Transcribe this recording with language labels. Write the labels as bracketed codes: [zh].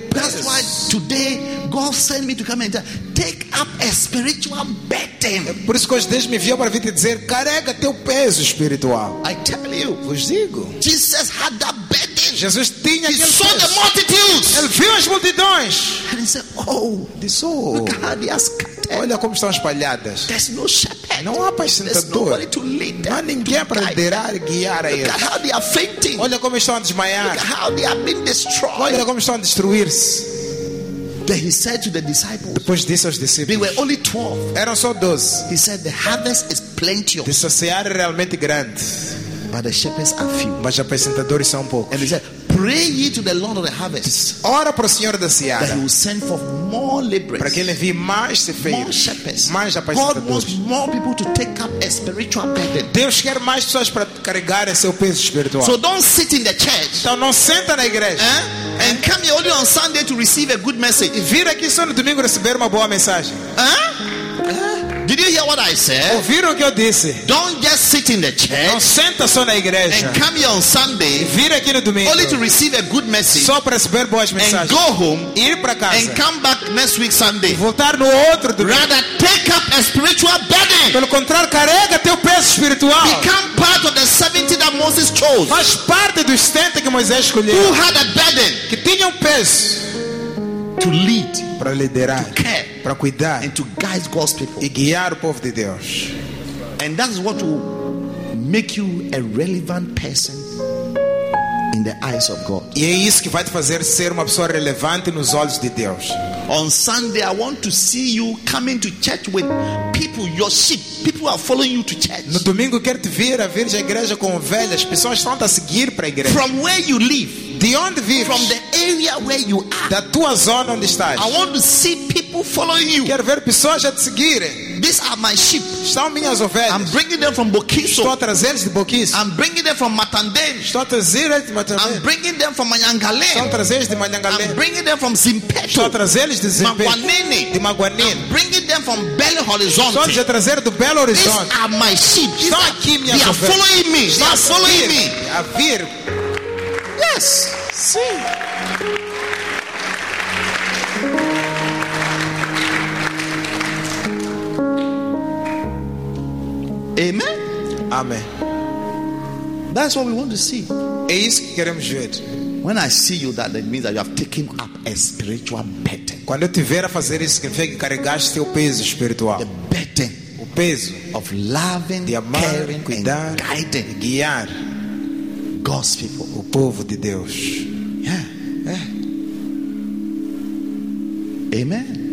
[en] That's why today God sent me to come and take up a spiritual burden. [pt] É por isso que hoje Deus me enviou para vir te dizer, carrega teu peso espiritual. [en] I tell you, [pt] vos digo, [en] Jesus had that burden. [pt] Jesus tinha aquele peso. [en] He saw the multitudes. [pt] Ele viu as multidões. [en] And he said, oh, [pt] disse, oh, [en] look how they are scattered. [pt] Olha como estão espalhadas. [en] There's no shepherd. [pt] Não há pastor. Não há ninguém para liderar e guiar a eles. [en] Look how they are fainting. [pt] Olha como estão a desmaiar. [en] Look how they have been destroyed. [pt] Olha como estão a destruir-se. [en] Then he said to the disciples. [pt] Depois disse aos discípulos. [en] They were only 12. [pt] Eram só 12. [en] He said the harvest is plenteous. [pt] Disse, a seara é realmente grande. [en] But the shepherds are few. [pt] Mas os apacentadores são poucos. [en] And he said, pray ye to the Lord of the harvest. [pt] Ora para o Senhor da seara. [en] That he will send for more laborers. [pt] Para que ele envie mais ceifeiros. [en] More shepherds. [pt] Mais apacentadores. [en] God wants more people to take up a spiritual burden. [pt] Deus quer mais pessoas para carregar seu peso espiritual. [en] So don't sit in the church. [pt] Então não senta na igreja. [en] Eh? And come here only on Sunday to receive a good message. [pt] E vir aqui só no domingo receber uma boa mensagem. [en] Eh? Did you hear what I said? [pt] Ouviram o que eu disse? [en] Don't just sit in the church. [pt] Não senta só na igreja. [en] And come here on Sunday. [pt] Vir aqui no domingo. [en] Only to receive a good message. [pt] Só para receber boas mensagens. [en] And go home. [pt] Ir para casa. [en] And come back next week Sunday. [pt] E voltar no outro domingo. [en] Rather take up a spiritual burden. [pt] Pelo contrário, carrega teu peso espiritual. [en] Become part of the 70 that Moses chose. [pt] Faz parte dos 70 que Moisés escolheu. [en] Who had a burden? [pt] Que tinha peso. [en] To lead, [pt] para liderar, [en] to care, [pt] para cuidar, [en] and to guide God's people, [pt] e guiar o povo de Deus. [en] And that's what will make you a relevant person in the eyes of God. [pt] E é isso que vai te fazer ser uma pessoa relevante nos olhos de Deus. [en] On Sunday, I want to see you coming to church with people, your sheep. People are following you to church. [pt] No domingo quero te ver a vir à igreja com ovelhas. Pessoas estão a seguir para a igreja. [en] From where you live. [pt] De onde vives? [en] From the area where you are. [pt] Da tua zona onde estás. [en] I want to see people following you. [pt] Quero ver pessoas a te seguir. [en] These are my sheep. [pt] São minhas ovelhas. [en] I'm bringing them from Boquiço. [pt] Estou a trazê-los de Boquiço. [en] I'm bringing them from Matandene. [pt] Estou a trazê-los de Matandene. [en] I'm bringing them from Manyangalé. [pt] Estou a trazê-los de Manyangalé. [en] I'm bringing them from Zimpeto. [pt] Estou a trazê-los de Zimpeto. [en] Maguanene. [pt] De Maguanene. [en] I'm bringing them from Belo Horizonte. [pt] Estou a trazer do Belo Horizonte. [en] These are my sheep. [pt] Estão aqui minhas ovelhas. [en] They are following me. They are following me. [pt] A vir. [en] Yes. [pt] Sim. [en] Amen. [pt] Amen. [en] That's what we want to see. [pt] É isso que queremos ver. [en] When I see you, that means that you have taken up a spiritual burden. [pt] Quando eu te ver a fazer isso, significa que carregaste o peso espiritual. [en] The burden, [pt] o peso [en] of loving, [pt] de amar, [en] caring, [pt] cuidar, [en] and guiding, [pt] guiar [en] God's people, [pt] o povo de Deus. [en] Yeah. Amen.